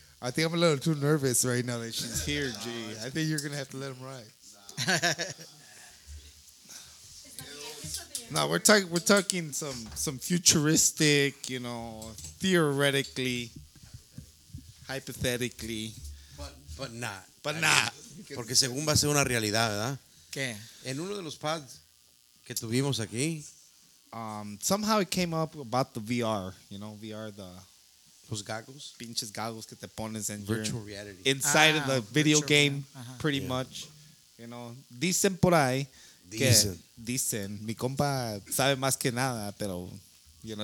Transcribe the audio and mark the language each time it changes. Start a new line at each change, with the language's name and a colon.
English: I think I'm a little too nervous right now that she's here, G. I think you're going to have to let him ride. No, we're talking some futuristic, you know, theoretically, hypothetically. But not.
Spanish: Porque según va a ser una realidad, ¿verdad? ¿Qué? En uno de los pods que tuvimos aquí.
English: Somehow it came up about the VR, you know, VR, the... Those goggles?
Spanish: Pinches goggles que te pones and
English: virtual you're reality. Inside of the video game, uh-huh. Pretty yeah. much. You know,
Spanish: dicen por ahí. Dicen. Mi compa sabe más que nada, pero...
English: You know,